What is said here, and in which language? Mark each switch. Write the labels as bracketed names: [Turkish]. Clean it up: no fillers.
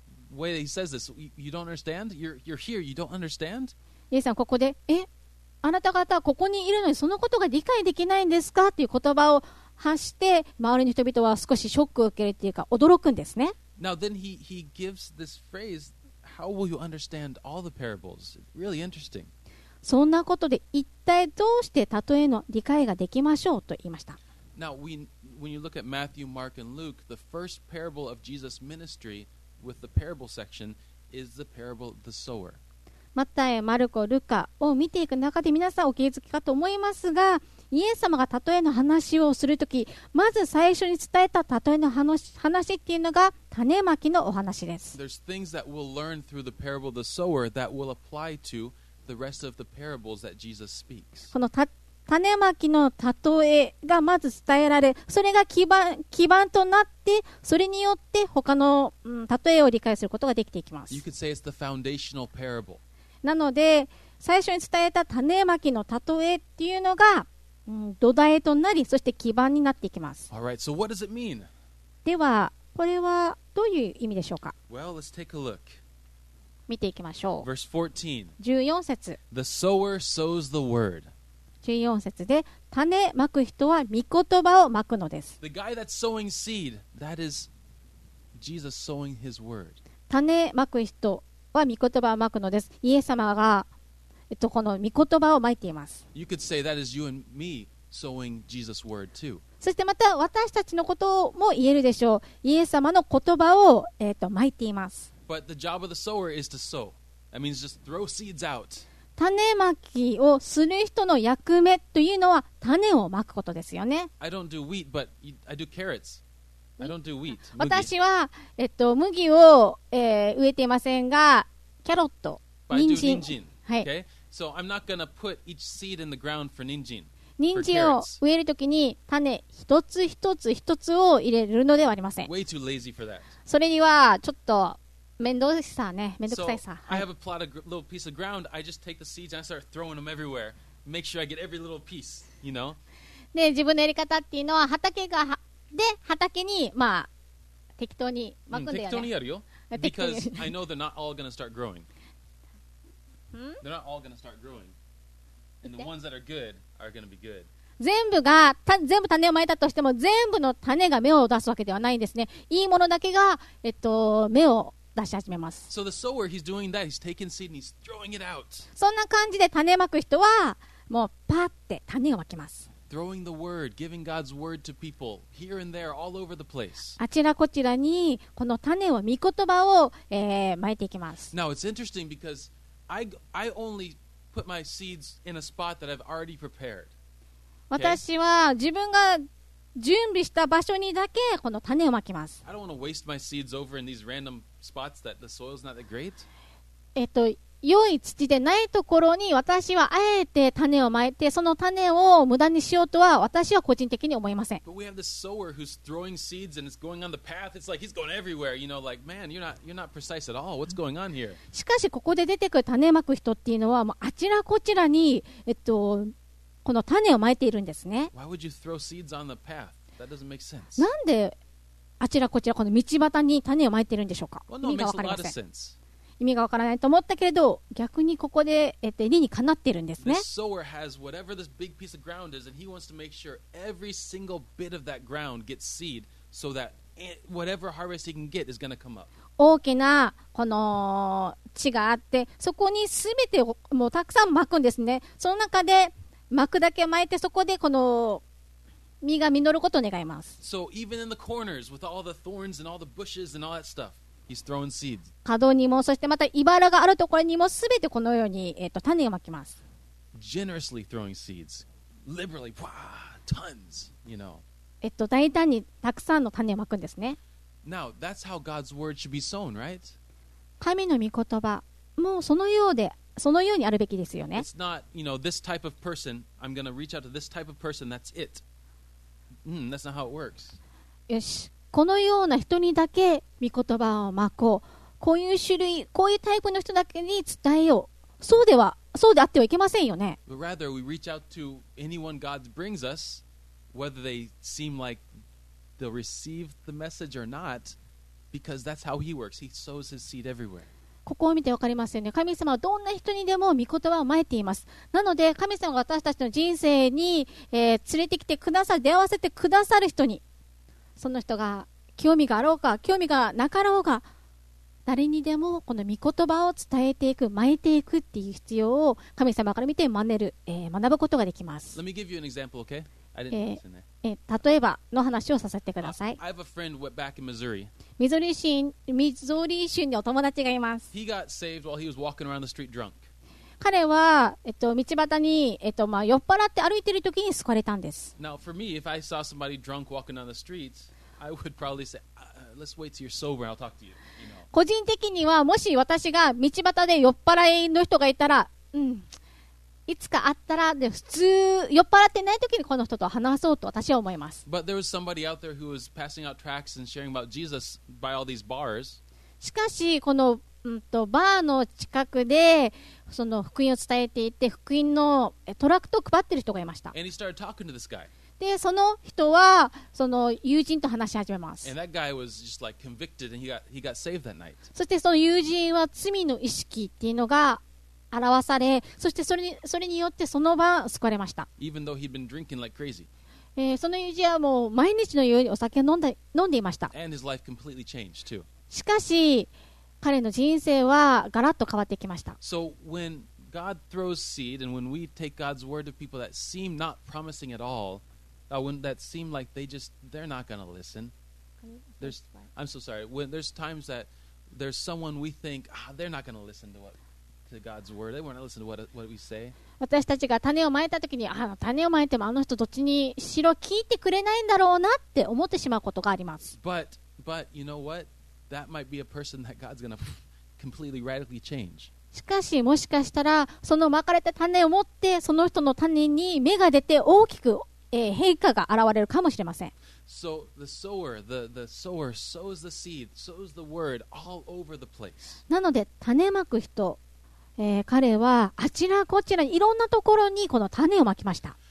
[English] Way that he says this, you don't understand. You're here. You don't understand. [Japanese] イエスさんここで、あなた方はここにいるのにそのことが理解できないんですかという言葉を発して、周りの人々は少しショックを受けるというか驚くんですね。 [English] Now then he gives this phrase, how will you understand all the parables? Really interesting. [Japanese] そんなことで一体どうして例えの理解ができましょうと言いました。 [English] Now when you look at Matthew, Mark, and Luke, the first parable of Jesus' ministry. With the parable section is the parable of the sower. [Japanese] マタイ、マルコ、ルカを見ていく中で皆さんお気づきかと思いますが、イエス様が例えの話をするとき、まず最初に伝えた例えの話っていうのが種まきのお話です。 [English] There's things that we'll learn through the parable of the sower that will apply to the rest of the parables that Jesus speaks. [Japanese] この種まきの例えがまず伝えられ、それが基盤となって、それによって他の、例えを理解することができていきます。 [English] You could say it's the foundational parable. [Japanese] なので、最初に伝えた種まきの例えっていうのが、土台となり、そして基盤になっていきます。 [English] All right, so what does it mean? [Japanese] では、これはどういう意味でしょうか？ [English] Well, let's take a look. [Japanese] 見ていきましょう。 [English] Verse [Japanese] 14. 14節。 [English] The sower sows the word. [Japanese] 14節で、種まく人は御言葉をまくのです。 [English] The guy that's sowing seed, that is Jesus sowing his word. [Japanese] 種まく人は御言葉をまくのです。イエス様が、この御言葉をまいています。 [English] You could say that is you and me sowing Jesus' word too. [Japanese] そしてまた私たちのことも言えるでしょう。イエス様の言葉をまいています。 [English] But the job of the sower is to sow. That means just throw seeds out. [Japanese] 種まきをする人の役目というのは種をまくことですよね。 [English] I don't do wheat, but I do carrots. I don't do wheat. [Japanese] 私は麦を植えていませんが、キャロット、人参。はい。 [English] Okay. So I'm not gonna put each seed in the ground for 人参。 [Japanese] 人参を植えるときに種一つ一つ一つを入れるのではありません。 [English] Way too lazy for that. [Japanese] それにはちょっと面倒しさね、面倒くさいさ。 [English] So I have a plot of little piece of ground. I just take the seeds and I start throwing them everywhere. Make sure I get every little piece. You know. [Japanese] で、自分のやり方っていうのは畑がで畑にまあ適当にまくんだよね。適当にやるよ。 [English] Because I know they're not all gonna start growing. They're not all gonna start growing. And the ones that are good. Are gonna be good. [Japanese] 全部種をまいたとしても全部の種が芽を出すわけではないんですね。いいものだけが、芽を出し始めます。 [English] So the sower, he's doing that. He's taking seed and he's throwing it out. [Japanese] そんな感じで種まく人はもうパッて種をまきます。 [English] Throwing the word, giving God's word to people here and there, all over the place. [Japanese] あちらこちらにこの種を御言葉を、まいていきます。 [English] Now it's interesting because I only. Put my seeds in a spot that I've already prepared. Okay? [Japanese] 私は自分が準備した場所にだけこの種をまきます。 [English] I don't want to waste my seeds over in these random spots that the soil's not that great. [Japanese] 良い土でないところに私はあえて種をまいてその種を無駄にしようとは私は個人的に思いません。 [English] But we have this sower who's throwing seeds and it's going on the path. It's like he's going everywhere. You know, like, man, you're not precise at all. What's going on here? [Japanese] しかしここで出てくる種まく人っていうのはもうあちらこちらにこの種をまいているんですね。 [English] Why would you throw seeds on the path? That doesn't make sense. [Japanese] なんであちらこちらこの道端に種をまいているんでしょうか。 [English] Well, no, [Japanese] 意味がわかりません。 [English] makes a lot of sense. [Japanese] 意味がわからないと思ったけれど逆にここで理にかなっているんですね。 [English] The sower has whatever this big piece of ground is and he wants to make sure every single bit of that ground gets seed so that whatever harvest he can get is going to come up. [Japanese] 大きなこの地があってそこに全てをもうたくさん撒くんですね。その中で撒くだけ撒いてそこでこの実が実ることを願います。 [English] So even in the corners with all the thorns and all the bushes and all that stuff. He's throwing seeds. [Japanese] 角にもそしてまた茨があるところにもすべてこのように、種をまきます。 [English] Generously throwing seeds, liberally, tons, you know. [Japanese] 大胆にたくさんの種をまくんですね。 [English] Now that's how God's word should be sown, right? [Japanese] 神の御言葉もそのようでそのようにあるべきですよね。 [English] It's not, you know, this type of person. I'm going to reach out to this type of person. That's it. That's not how it works. [Japanese] よし。このような人にだけ御言葉をまこう、こういう種類、こういうタイプの人だけに伝えよう。そうでは、そうであってはいけませんよね。 [English] But rather we reach out to anyone God brings us, whether they seem like they'll receive the message or not, because that's how He works. He sows His seed everywhere. [Japanese] ここを見てわかりますよね。神様はどんな人にでも御言葉をまいています。なので神様が私たちの人生に、連れてきてくださる、出会わせてくださる人に。その人が興味があろうか興味がなかろうが誰にでもこの御言葉を伝えていく巻いていくっていう必要を神様から見て真似る、学ぶことができます。 [English] Let me give you an example, okay? I didn't mention that. [Japanese] 例えばの話をさせてください。 [English] I have a friend went back in Missouri. [Japanese] ミゾリ州にお友達がいます。 [English] He got saved while he was walking around the street drunk. [Japanese] 彼は、道端に、酔っ払って歩いている時に救われたんです。 [English] Now for me, if I saw somebody drunk walking down the streetI would probably say, let's wait till you're sober and I'll talk to you. You know. [Japanese] 個人的にはもし私が道端で酔っ払いの人がいたら、いつか会ったら、で普通酔っ払ってない時にこの人と話そうと私は思います。 [English] But there was somebody out there who was passing out tracts and sharing about Jesus by all these bars. [Japanese] しかしこの、バーの近くでその福音を伝えていて福音のトラクトを配ってる人がいました。 [English] And he started talking to this guy. [Japanese] でその人はその友人と話し始めます。 [English] And that guy was just like convicted and he got saved that night. [Japanese] そしてその友人は罪の意識っていうのが表され、そしてそれによってその晩救われました。 [English] Even though he'd been drinking like crazy. [Japanese] その友人はもう毎日のようにお酒を飲んでいました。 [English] And his life completely changed too. [Japanese] しかし彼の人生はガラッと変わってきました。 [English] So when g God throws seed and when we take God's word to people that seem not promising at all, when that seem like they just, they're not going to listen. There's, I'm so sorry. When there's times that there's someone we think, they're not going to listen to what to God's word. They won't listen to what we say. [Japanese] 私たちが種をまいたときに、種をまいてもあの人どっちにしろ聞いてくれないんだろうなって思ってしまうことがあります。 [English] But you know what? That might be a person that God's going to completely radically change. [Japanese] しかしもしかしたらその撒かれた種を持ってその人の種に芽が出て大きく、変化が現れるかもしれません。 [English] So the sower, the sower sows the seed, sows the word all over the place. [Japanese] なので種まく人、彼はあちらこちらいろんなところにこの種をまきました。